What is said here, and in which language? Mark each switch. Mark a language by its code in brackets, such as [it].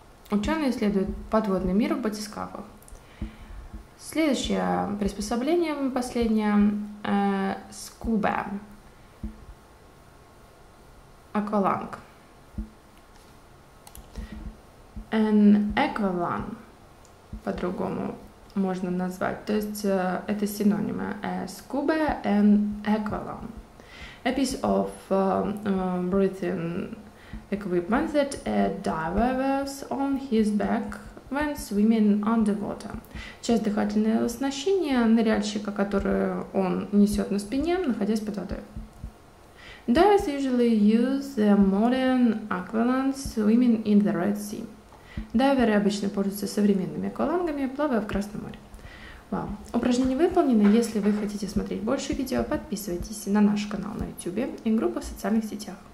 [ru] Ученые исследуют подводный мир в батискафах. Следующее приспособление, последнее, scuba. Акваланг. [en] An aqualung. [ru] По-другому можно назвать. То есть это синонимы. [en] Scuba and aqualung. A piece of breathing equipment that a diver wears on his back when swimming underwater. [ru] Часть дыхательного оснащения ныряльщика, которое он несет на спине, находясь под водой. [en] Divers usually use the modern aqualung swimming in the Red Sea. [ru] Дайверы обычно пользуются современными аквалангами, плавая в Красном море. Вау. Упражнение выполнено. Если вы хотите смотреть больше видео, подписывайтесь на наш канал на YouTube и группу в социальных сетях.